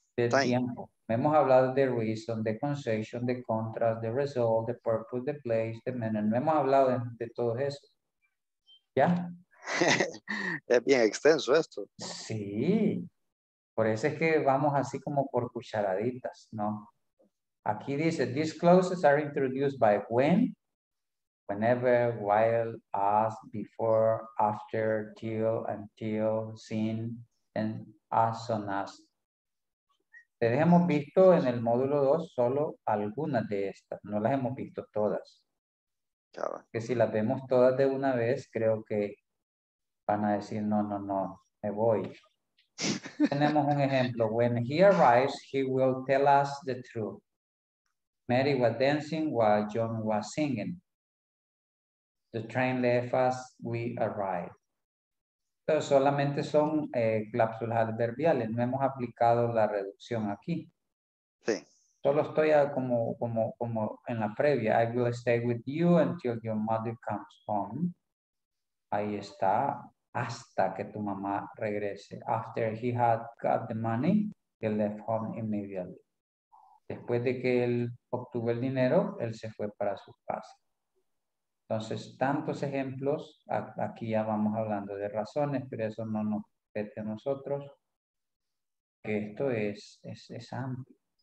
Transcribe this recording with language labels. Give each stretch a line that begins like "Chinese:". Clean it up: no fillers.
Spanish: De tiempo. Hemos hablado de reason, de concession, de contrast, de result, de purpose, de place, de manner. No hemos hablado de todo eso. ¿Ya? Es bien extenso esto. Sí. Por eso es que vamos así como por cucharaditas, ¿no? Aquí dice,
English: these clauses are introduced by when, whenever, while, as, before, after, till, until, since, and as soon as.
Spanish: Ustedes hemos visto en el módulo 2 solo algunas de estas, no las hemos visto todas. Claro. Que si las vemos todas de una vez, creo que van a decir, no, no, no, me voy. Tenemos un ejemplo.
English: When he arrives, he will tell us the truth. Mary was dancing while John was singing. The train left us, we arrived.
Spanish: Pero solamente son cláusulas adverbiales. No hemos aplicado la reducción aquí. Sí. Solo estoy como en la previa.
English: I will stay with you until your mother comes home.
Spanish: Ahí está. Hasta que tu mamá regrese.
English: After he had got the money, he left home immediately.
Spanish: Después de que él obtuvo el dinero, él se fue para su casa. Entonces, tantos ejemplos, aquí ya vamos hablando de razones, pero eso no nos compete a nosotros, que esto es amplio.